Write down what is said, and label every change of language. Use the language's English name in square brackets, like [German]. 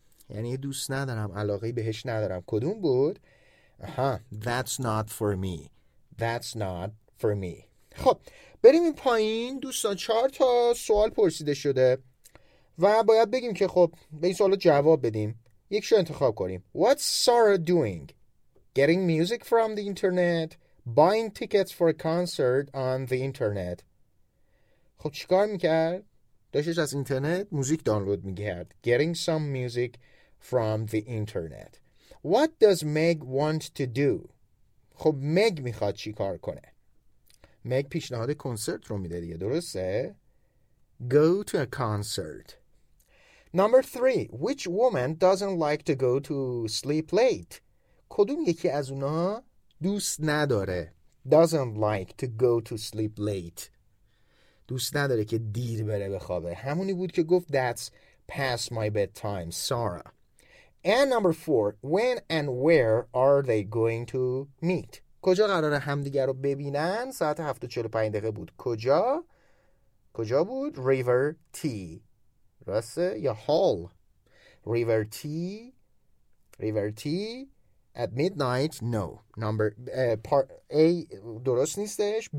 [Persian] یعنی دوست ندارم، علاقه بهش ندارم. کدوم بود؟ [English] That's not for me. That's not for me. [Persian] خب بریم این پایین. دوستان چهار تا سوال پرسیده شده و باید بگیم که خب به این سوال جواب بدیم. یکشو انتخاب کنیم. [English] What's Sarah doing? Getting music from the internet, buying tickets for a concert on the internet. [Persian] خب چیکار میکرد؟ داشتش از اینترنت موزیک دانلود میکرد. [English] Getting some music from the internet. What does Meg want to do? [Persian] خب Meg میخواد چیکار کنه؟ Meg پیشنهاد کنسرت رو میده دیگه، درسته؟ [English] Go to a concert. Number 3. Which woman doesn't like to go to sleep late? [Persian] کدوم یکی از اونا دوست نداره؟ [English] Doesn't like to go to sleep late. [Persian] دوست نداره که دیر بره بخوابه. همونی بود که گفت [English] that's past my bedtime, Sarah. And number 4. When and where are they going to meet? [Persian] کجا قراره همدیگر رو ببینن؟ ساعت 7:45 دقیقه بود. کجا؟ کجا بود؟ River T. راسته؟ یا Hall. River T. River T. [English] At midnight, no. Number part A [Persian] درست نیستش.